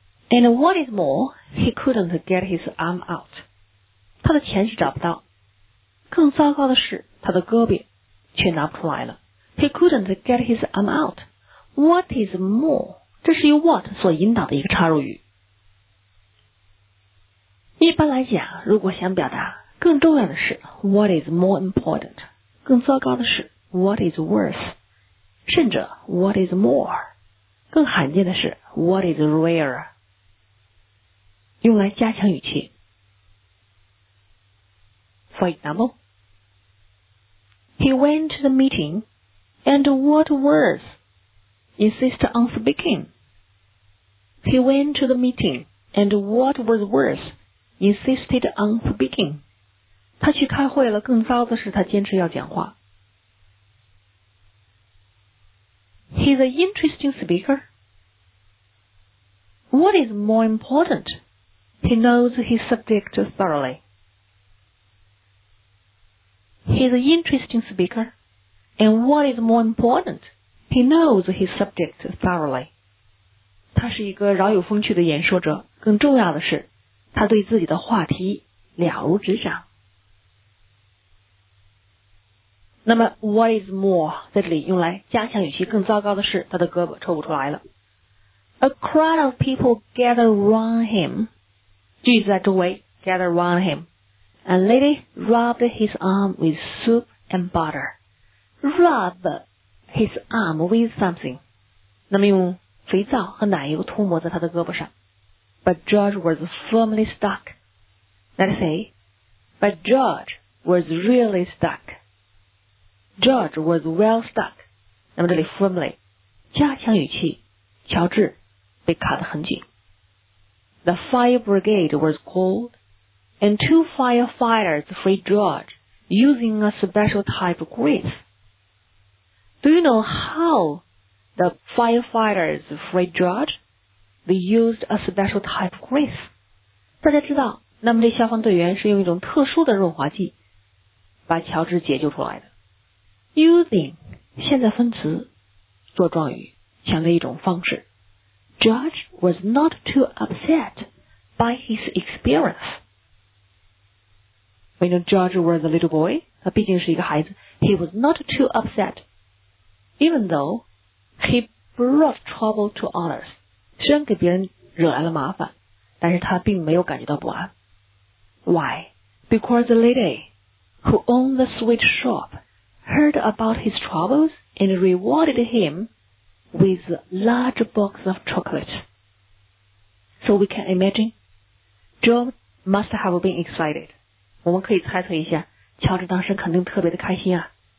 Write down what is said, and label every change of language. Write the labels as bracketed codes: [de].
[en] And what is more, he couldn't get his arm out. [zh] 他的钱是找不到。更糟糕的是，他的胳膊却拿不出来了。 [en] He couldn't get his arm out. What is more? [zh] 这是由 what 所引导的一个插入语。一般来讲，如果想表达更重要的是 [en] what is more important, [zh] 更糟糕的是 [en] what is worse, [zh] 甚至 [en] what is more, [zh] 更罕见的是 [en] what is rare, [zh] 用来加强语气。 [en] For example, he went to the meeting, and what worse, insist on speaking. He went to the meeting, and what was worse,insisted on speaking. [zh] 他去开会了，更糟的是他坚持要讲话。 [en] He's an interesting speaker. What is more important? He knows his subject thoroughly. He's an interesting speaker. And what is more important? He knows his subject thoroughly. [zh] 他是一个饶有风趣的演说者，更重要的是他对自己的话题了如指掌。那么 [en] what is more [zh] 在这里用来加强语气，更糟糕的是他的胳膊抽不出来了。 [en] A crowd of people gather around him. [zh] 句子在周围 [en] gather around him. A lady rubbed his arm with soup and butter. Rub his arm with something. [zh] 那么用肥皂和奶油涂抹在他的胳膊上。 [en] But George was firmly stuck. Let's say, but George was really stuck. George was well stuck. [zh] 那么这里 firmly, 加强语气，乔治被卡得很紧。 [en] The fire brigade was called, and two firefighters freed George using a special type of grease. Do you know how the firefighters freed George? They used a special type of grease. [zh] 大家知道，那么这消防队员是用一种特殊的润滑剂把乔治解救出来的。 Using 现在分词做状语，强调一种方式。 [en] George was not too upset by his experience. When George was a little boy, [zh] 他毕竟是一个孩子， [en] he was not too upset. Even though he brought trouble to others. [zh] 虽然给别人惹来了麻烦，但是他并没有感觉到不安。 [en] Why? Because the lady who owned the sweet shop heard about his troubles and rewarded him with a large box of chocolate. So we can imagine, John must have been excited. [zh] 我们可以猜测一下，乔治当时肯定特别的开心啊。